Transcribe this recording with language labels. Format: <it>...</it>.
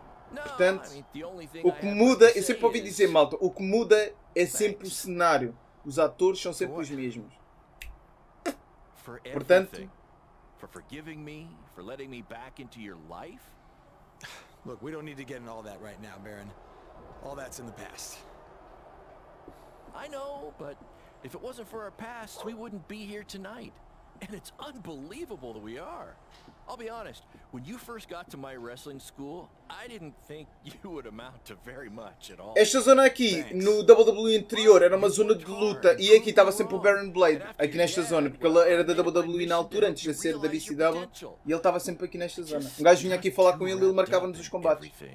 <pt>Portanto, o que muda, eu sempre ouvi dizer, malta, o que muda é sempre o cenário. Os atores são sempre os mesmos. Portanto,</pt> <en>for forgiving me, for letting me back into your life. Look, we don't need to get in all that right now, Baron. All that's in the past. I know, but if it wasn't for our past, we wouldn't be here tonight. And it's unbelievable that we are. I'll be honest, when you first got to my wrestling school, I didn't think you would amount to very much at all.</en> <pt>Esta zona aqui, no WWE anterior, era uma zona de luta, e aqui estava sempre o Baron Blade, aqui nesta zona, porque ele era da WWE na altura, antes de ser da WCW, e ele estava sempre aqui nesta zona. Um gajo vinha aqui falar com ele e ele marcava-nos os combates.</pt>